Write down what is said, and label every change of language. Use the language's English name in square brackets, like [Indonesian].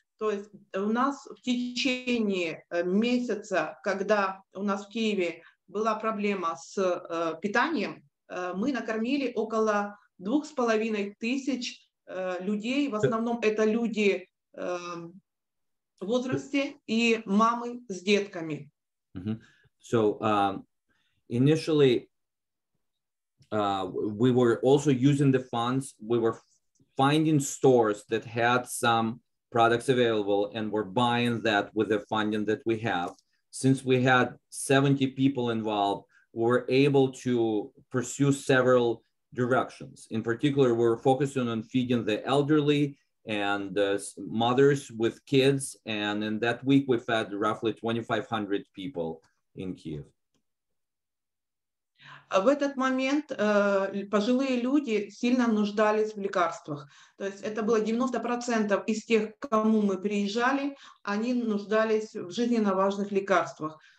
[Russian] То есть у нас в течение месяца, когда у нас в Киеве была проблема с питанием, мы накормили около 2500 людей. В основном это люди в возрасте и мамы с детками. Mm-hmm. [English] So initially we were also using the funds. We were finding stores that had some products available and were buying that with the funding that we have. Since we had 70 people involved, we were able to pursue several directions. In particular, we were focusing on feeding the elderly and mothers with kids. And in that week, we fed roughly 2,500 people in Kyiv. [Russian] В этот момент пожилые люди сильно нуждались в лекарствах. То есть это было 90% из тех, к кому мы приезжали, они нуждались в жизненно важных лекарствах.